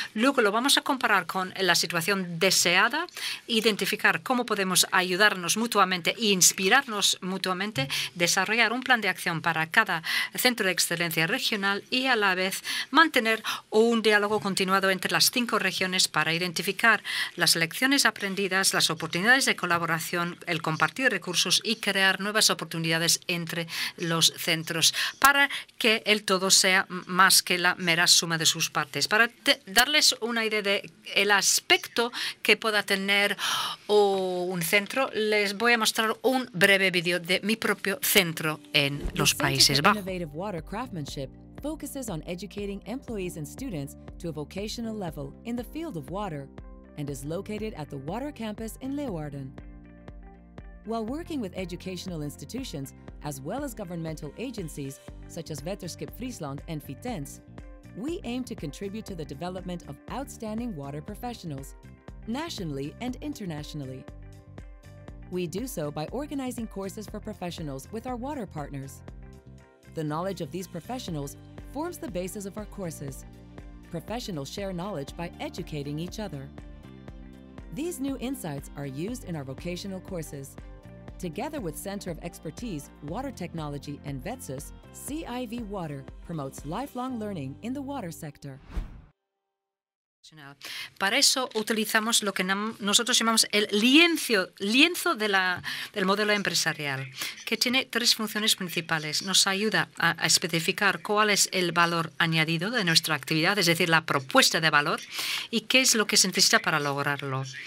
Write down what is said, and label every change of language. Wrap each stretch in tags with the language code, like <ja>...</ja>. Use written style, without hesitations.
<es>Luego lo vamos a comparar con la situación deseada, identificar cómo podemos ayudarnos mutuamente e inspirarnos mutuamente, desarrollar un plan de acción para cada centro de excelencia regional y a la vez mantener un diálogo continuado entre las 5 regiones para identificar las lecciones aprendidas, las oportunidades de colaboración, el compartir recursos y crear nuevas oportunidades entre los centros para que el todo sea más que la mera suma de sus partes. Para darles una idea de el aspecto que pueda tener un centro, les voy a mostrar un breve vídeo de mi propio centro en los Países Bajos.</es> <en>Innovative Water Craftsmanship focuses on educating employees and students to a vocational level in the field of water and is located at the Water Campus in Leeuwarden. While working with educational institutions as well as governmental agencies such as Waterschap Friesland and Vitens, we aim to contribute to the development of outstanding water professionals, nationally and internationally. We do so by organizing courses for professionals with our water partners. The knowledge of these professionals forms the basis of our courses. Professionals share knowledge by educating each other. These new insights are used in our vocational courses. Together with Center of Expertise, Water Technology and Vetsus, CIV Water promotes lifelong learning in the water sector.</en> <es>Para eso utilizamos lo que nosotros llamamos el lienzo del modelo empresarial, que tiene 3 funciones principales. Nos ayuda a especificar cuál es el valor añadido de nuestra actividad, es decir, la propuesta de valor, y qué es lo que se necesita para lograrlo.</es>